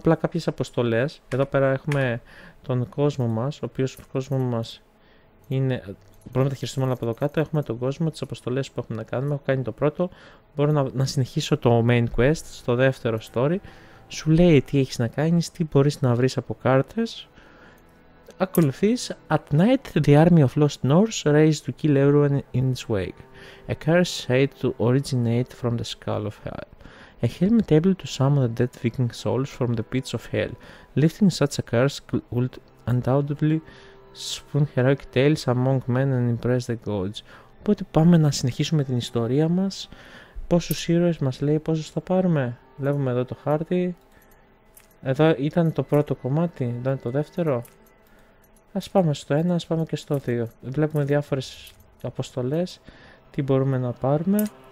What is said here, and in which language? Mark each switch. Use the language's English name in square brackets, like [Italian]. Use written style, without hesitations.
[Greek] Απλά κάποιες αποστολές. Εδώ πέρα έχουμε τον κόσμο μας, ο οποίος ο κόσμος μας είναι. Μπορούμε να τα χειριστούμε όλα από εδώ κάτω. Έχουμε τον κόσμο, τις αποστολές που έχουμε να κάνουμε. Έχω κάνει το πρώτο. Μπορώ να συνεχίσω το main quest στο δεύτερο story. Σου λέει τι έχεις να κάνεις, τι μπορείς να βρεις από κάρτες. Ακολουθείς. [English] At night, the army of Lost Norse raised to kill everyone in its wake. A curse said to originate from the skull of hell. A helmet able to summon the dead Viking souls from the pits of hell. Lifting such a curse would undoubtedly spawn heroic tales among men and impress the gods. [Greek] Οπότε πάμε να συνεχίσουμε την ιστορία μας. Πόσους ήρωες μας λέει, πόσους θα πάρουμε. Βλέπουμε εδώ το χάρτη. Εδώ ήταν το πρώτο κομμάτι, εδώ είναι το δεύτερο. Ας πάμε στο 1, ας πάμε και στο 2. Βλέπουμε διάφορες αποστολές, τι μπορούμε να πάρουμε.